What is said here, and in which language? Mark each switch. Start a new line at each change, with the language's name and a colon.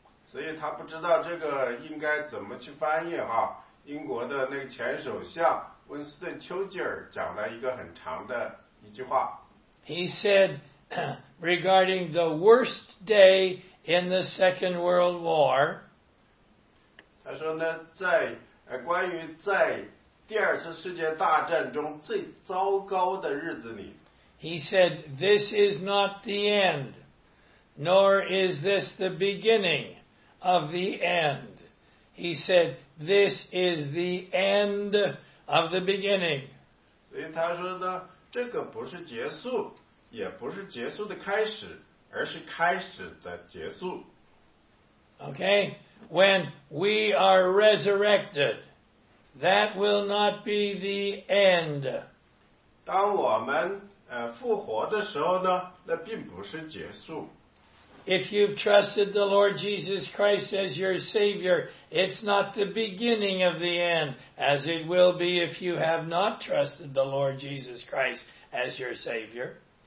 Chinese: 所以他不知道这个应该怎么去翻译啊。英国的那个前首相温斯顿·丘吉尔讲了一个很长的一句话。
English: He said regarding the worst day in the Second World War.
Chinese: 他说呢，在关于在第二次世界大战中最糟糕的日子里。
English: He said, "This is not the end, nor is this the beginning of the end." He said. This is the end of the beginning.
Chinese: 所以他说呢，这个不是结束，也不是结束的开始，而是开始的结束。
English: Okay, when we are resurrected, that will not be the end.
Chinese: 当我们复活的时候呢，那并不是结束。
English: If you've trusted the Lord Jesus Christ as your Savior, it's not the beginning of the end, as it will be if you have not trusted the Lord Jesus Christ as your Savior.